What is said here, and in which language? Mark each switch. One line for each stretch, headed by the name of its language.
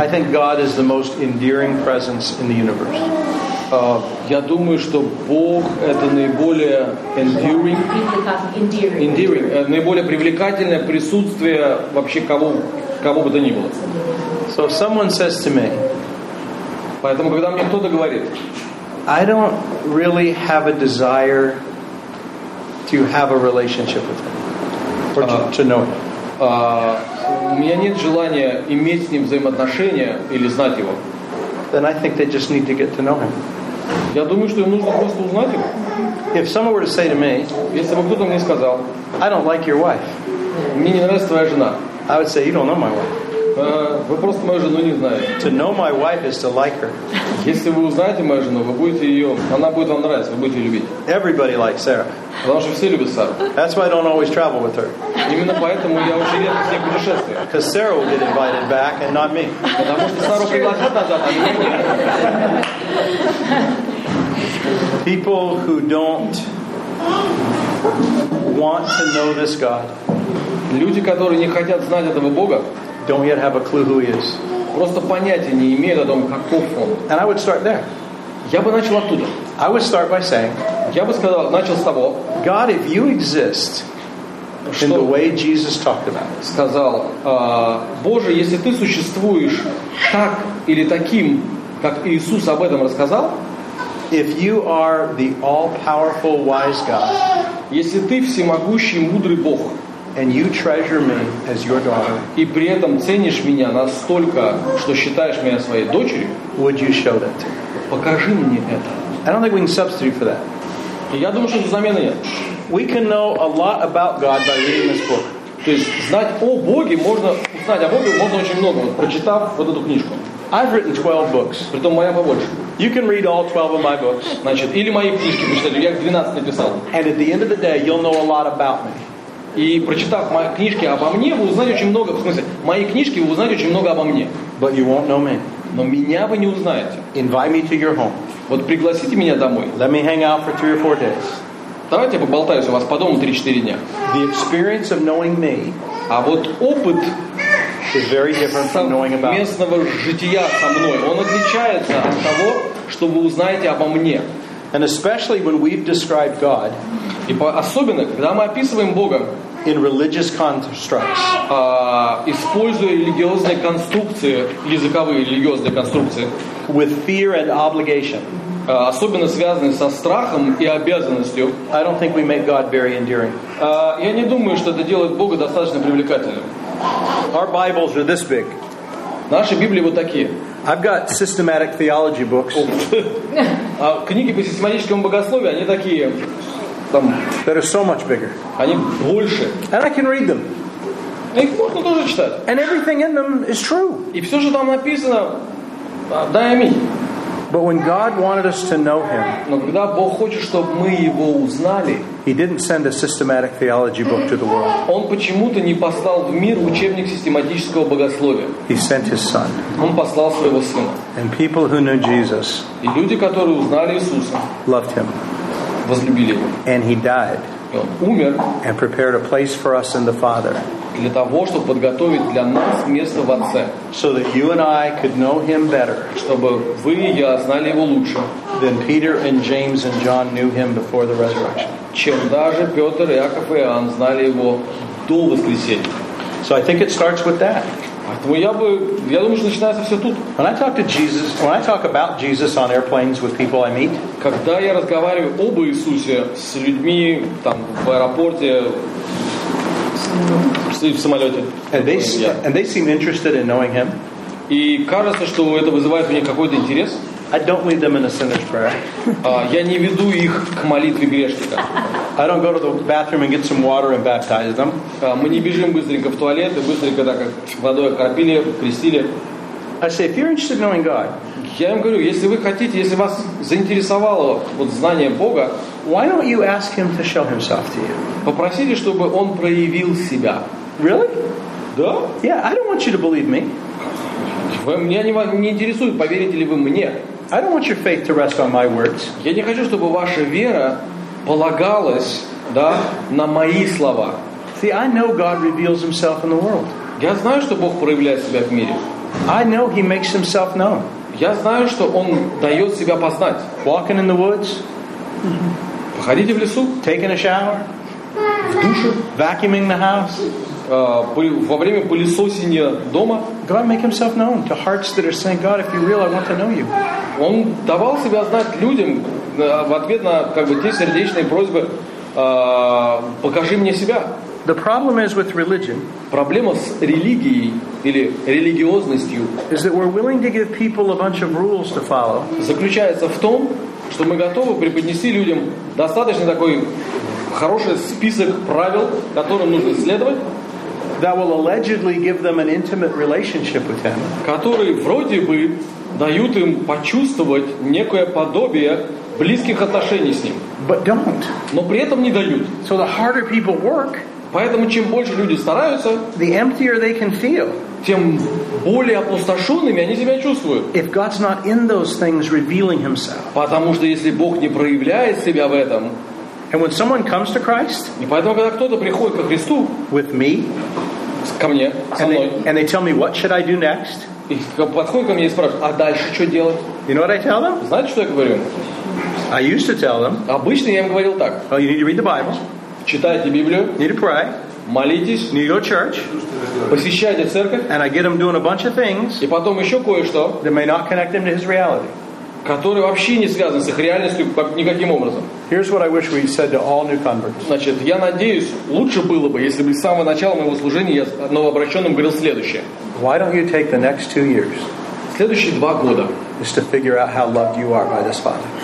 English: I think God is the most endearing presence in the universe.
Russian: Я думаю, что Бог это наиболее endearing, наиболее привлекательное присутствие вообще кого бы то ни было.
English: So if someone says to me,
Russian: поэтому когда мне кто-то говорит,
English: I don't really have a desire to have a relationship with Him, or to know Him.
Russian: У меня нет желания иметь с Ним взаимоотношения или знать Его.
English: Then I think they just need to get to know Him.
Russian: Я думаю, что им нужно просто узнать его.
English: If someone were to say to me,
Russian: если бы кто-то мне сказал,
English: I don't like your wife.
Russian: Мне не нравится твоя жена.
English: I would say, you don't know my wife.
Russian: Вы просто мою жену не знаете.
English: To know my wife is to like her.
Russian: Если вы узнаете мою жену, вы будете ее, она будет вам нравиться, вы будете любить.
English: Everybody likes Sarah.
Russian: Потому что все любят Сару.
English: That's why I don't always travel with her.
Russian: Именно поэтому я очень редко с ней путешествую.
English: Because Sarah will get invited back and not me.
Russian: Потому что Сару приглашают назад, а не меня.
English: People who don't want to know this God.
Russian: Люди, которые не хотят знать этого Бога.
English: Don't yet have a clue who he is.
Russian: Просто понятия не имеют о том, каков он.
English: And I would start there.
Russian: Я бы начал оттуда.
English: I would start by saying.
Russian: Я бы сказал, начал с того.
English: God, if you exist in the way Jesus talked about.
Russian: Сказал, Боже, если ты существуешь так или таким, как Иисус об этом рассказал.
English: If you are the all-powerful, wise God.
Russian: Если ты всемогущий, мудрый Бог.
English: And you treasure me as your daughter.
Russian: И при этом ценишь меня настолько, что считаешь меня своей дочерью.
English: Would you show that?
Russian: Покажи мне это.
English: I don't think we can substitute for that.
Russian: Я думаю, что замены нет.
English: We can know a lot about God by reading this book.
Russian: То есть знать о Боге можно, узнать о Боге можно очень много, вот, прочитав вот эту книжку.
English: I've written 12 books.
Russian: Притом моя побольше.
English: You can read all 12 of my books.
Russian: Значит, или мои книжки прочитали, я 12 написал.
English: And at the end of the day, you'll know a lot about me.
Russian: И прочитав мои книжки обо мне, вы узнаете очень много. В смысле, мои книжки, вы узнаете очень много обо мне.
English: But you won't know me.
Russian: Но меня вы не узнаете.
English: Invite me to your home.
Russian: Вот пригласите меня домой.
English: Let me hang out for 3 or 4 days.
Russian: Давайте я поболтаю у вас по дому 3-4 дня.
English: The experience of knowing me.
Russian: А вот опыт
English: is very different from knowing about.
Russian: Местного жития со мной, он отличается от того, что вы узнаете обо мне.
English: And especially when we've described God,
Russian: и особенно когда мы описываем Бога
English: in religious constructs,
Russian: используя религиозные конструкции, языковые религиозные конструкции,
English: with fear and obligation,
Russian: особенно связанные со страхом и обязанностью,
English: I don't think we make God very endearing.
Russian: Я не думаю, что это делает Бога достаточно привлекательным.
English: Our Bibles are this big.
Russian: Наши Библии вот такие.
English: I've got systematic theology books.
Russian: Книги по систематическому богословию, они такие. Там,
English: that are so much bigger.
Russian: Они больше.
English: And I can read them.
Russian: Их можно тоже читать.
English: And everything in them is true.
Russian: И все, что там написано, да и аминь.
English: But when God wanted us to know Him,
Russian: но когда Бог хочет, чтобы мы Его узнали,
English: He didn't send a systematic theology book to the world.
Russian: Он почему-то не послал в мир учебник систематического богословия.
English: He sent His Son.
Russian: Он послал своего Сына.
English: And people who knew Jesus,
Russian: и люди, которые узнали Иисуса,
English: loved Him.
Russian: Возлюбили Его.
English: And He died.
Russian: умер,
English: and prepared a place for us in the Father.
Russian: Для того, чтобы подготовить для нас место в Отце.
English: So that you and I could know him better.
Russian: Чтобы вы и я знали его лучше.
English: Than Peter and James and John knew him before the resurrection.
Russian: Чем даже Петр, Яков и Иоанн знали его до воскресения.
English: So I think it starts with that.
Russian: Я думаю, что начинается все тут.
English: When I talk to Jesus, when I talk about Jesus on airplanes with people I meet,
Russian: когда я разговариваю об Иисусе с людьми там в аэропорте, в самолете,
English: and they seem interested in knowing him,
Russian: и кажется, что это вызывает в них какой-то интерес.
English: I don't lead them in a sinner's prayer.
Russian: Я не веду их к молитве грешника.
English: I don't go to the bathroom and get some water and baptize them.
Russian: Мы не бежим быстренько в туалет и быстренько так как водой окропили, крестили.
English: I say, if you're interested in knowing God,
Russian: я им говорю, если вы хотите, если вас заинтересовало вот знание Бога,
English: why don't you ask him to show himself to you?
Russian: Попросите, чтобы он проявил себя.
English: Really?
Russian: Да?
English: Yeah, I don't want you to believe me.
Russian: Меня не интересует, поверите ли вы мне.
English: I don't want your faith to rest on my words.
Russian: Я не хочу, чтобы ваша вера полагалась, да, на мои слова.
English: See, I know God reveals himself in the world.
Russian: Я знаю, что Бог проявляет себя в мире.
English: I know he makes himself known.
Russian: Я знаю, что он дает себя познать.
English: Walking in the woods.
Russian: Походите в лесу.
English: Taking a shower.
Russian: В душе.
English: Vacuuming the house.
Russian: Во время пылесосения дома.
English: God make himself known to hearts that are saying, God, if you're real, I want to know you.
Russian: Он давал себя знать людям в ответ на как бы те сердечные просьбы. Покажи мне себя.
English: The problem is with religion.
Russian: Проблема с религией или религиозностью.
English: Is that we're willing to give people a bunch of rules to follow.
Russian: Заключается в том, что мы готовы преподнести людям достаточно такой хороший список правил, которым нужно следовать.
English: That will allegedly give them an intimate relationship with him.
Russian: Которые вроде бы дают им почувствовать некое подобие близких отношений с ним.
English: But don't.
Russian: Но при этом не дают.
English: So the harder people work,
Russian: поэтому чем больше люди стараются,
English: the emptier they can feel.
Russian: Тем более опустошенными они себя чувствуют.
English: If God's not in those things revealing himself.
Russian: Потому что если Бог не проявляет себя в этом,
English: and when someone comes to Christ,
Russian: и поэтому, когда кто-то приходит ко Христу,
English: with me,
Russian: ко мне, со мной,
English: and they tell me, what should I do next?
Russian: И подходит ко мне и спрашивает, а дальше что делать?
English: You know what I tell them?
Russian: Знаете, что я говорю?
English: I used to tell them,
Russian: обычно я им говорил так.
English: Oh, you need to read the Bible.
Russian: Читайте Библию.
English: Need to pray.
Russian: Молитесь.
English: Need to go to church.
Russian: Посещайте церковь.
English: And I get them doing a bunch of things,
Russian: и потом еще кое-что,
English: that may not connect them to his reality.
Russian: Который вообще не связан с их реальностью никаким образом.
English: Here's what I wish we said to all new converts.
Russian: Значит, я надеюсь, лучше было бы, если бы с самого начала моего служения я новообращенным говорил следующее.
English: Why don't you take the next 2 years?
Russian: Следующие 2 года.
English: Is to figure out how loved you are by this Father.